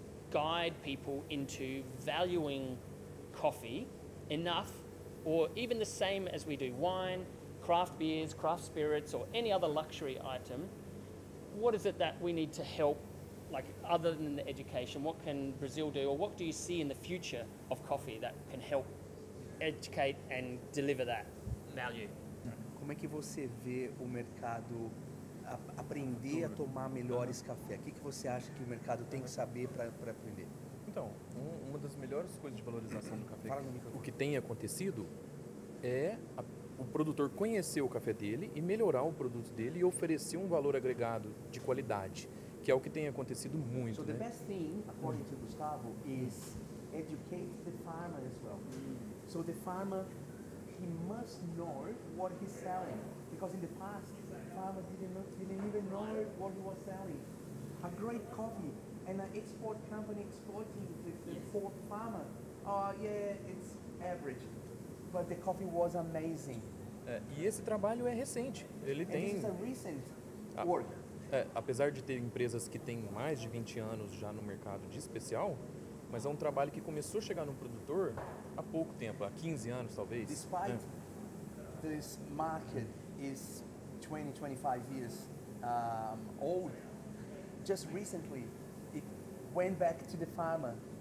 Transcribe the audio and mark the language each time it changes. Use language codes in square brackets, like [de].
[en] guide people into valuing coffee enough, or even the same as we do wine, craft beers, craft spirits, or any other luxury item? What is it that we need to help, like, other than the education? What can Brazil do, or what do you see in the future of coffee that can help educate and deliver that value? [pt] Como é que você vê o mercado aprender a tomar melhores cafés? O que você acha que o mercado tem que saber para aprender? Então, uma das melhores coisas de valorização do café, o que tem acontecido é o produtor conhecer o café dele e melhorar o produto dele e oferecer um valor agregado de qualidade, que é o que tem acontecido muito. [en] So the best thing, according to Gustavo, is educate the farmer as well. So the farmer, he must know what he's selling, because in the past, the farmer didn't even know what he was selling. A great coffee and an export company exploiting the poor farmer. Oh yeah, it's average. But the coffee was amazing. [pt] E esse trabalho é recente. Ele tem... [en] And this is a recent work. [pt] Apesar de ter empresas que têm mais de 20 anos já no mercado de especial, mas é um trabalho que começou a chegar no produtor há pouco tempo, há 15 anos talvez. [en] Despite this market is 20, 25 years old, just recently it went back to the farmer.